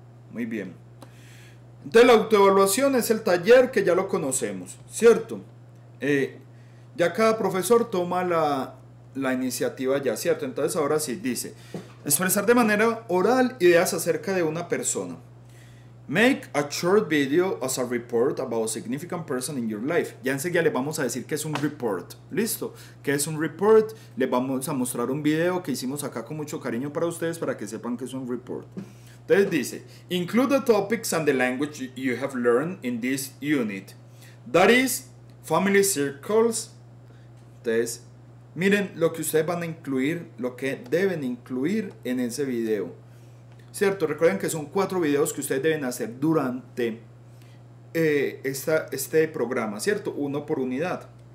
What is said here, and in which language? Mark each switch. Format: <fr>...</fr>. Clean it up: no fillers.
<es>Muy bien. Entonces la autoevaluación es el taller que ya lo conocemos, ¿cierto? Ya cada profesor toma la iniciativa ya, ¿cierto? Entonces ahora sí, dice, expresar de manera oral ideas acerca de una persona.</es> <en>Make a short video as a report about a significant person in your life.</en> <es>Ya enseguida les vamos a decir qué es un report. ¿Listo? ¿Qué es un report? Les vamos a mostrar un video que hicimos acá con mucho cariño para ustedes para que sepan qué es un report. Entonces dice,</es> <en>include the topics and the language you have learned in this unit. That is, family circles.</en> <es>Entonces, miren lo que ustedes van a incluir, lo que deben incluir en ese video. ¿Cierto? Recuerden que son 4 videos que ustedes deben hacer durante este programa, ¿cierto? Uno por unidad.</es>